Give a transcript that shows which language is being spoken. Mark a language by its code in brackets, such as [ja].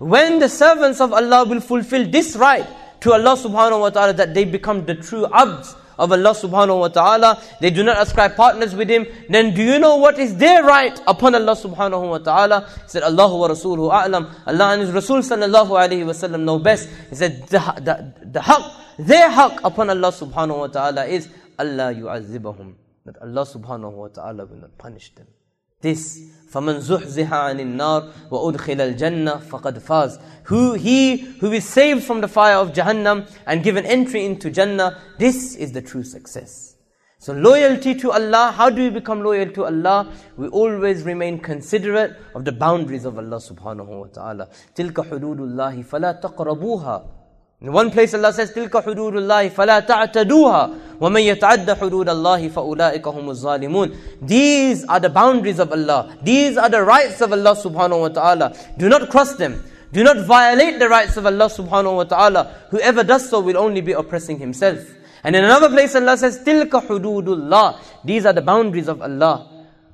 [en] When the servants of Allah will fulfill this right to Allah subhanahu wa ta'ala, that they become the true abds of Allah subhanahu wa ta'ala, they do not ascribe partners with him, then do you know what is their right upon Allah subhanahu wa ta'ala? He said, Allahu wa rasuluhu a'lam. Allah and his Rasul sallallahu alayhi wa sallam know best. He said, their haq upon Allah subhanahu wa ta'ala is Allah yu'azibahum, that Allah subhanahu wa ta'ala will not punish them. [ar] This, فَمَنْ زُحْزِهَا عَنِ النَّارِ وَأُدْخِلَ الْجَنَّةِ فَقَدْ فَازِ. [en] He who is saved from the fire of Jahannam and given entry into Jannah, this is the true success. So loyalty to Allah, how do we become loyal to Allah? We always remain considerate of the boundaries of Allah subhanahu wa ta'ala. [ar] تِلْكَ حُدُودُ اللَّهِ فَلَا تَقْرَبُوهَا. In one place Allah says, تِلْكَ حُدُودُ اللَّهِ فَلَا تَعْتَدُوهَا وَمَنْ يَتَعَدَّ حُدُودَ اللَّهِ فَأُولَٰئِكَ هُمُ الظَّالِمُونَ. [en] These are the boundaries of Allah. These are the rights of Allah subhanahu wa ta'ala. Do not cross them. Do not violate the rights of Allah subhanahu wa ta'ala. Whoever does so will only be oppressing himself. And in another place Allah says, تِلْكَ حُدُودُ اللَّهِ. These are the boundaries of Allah.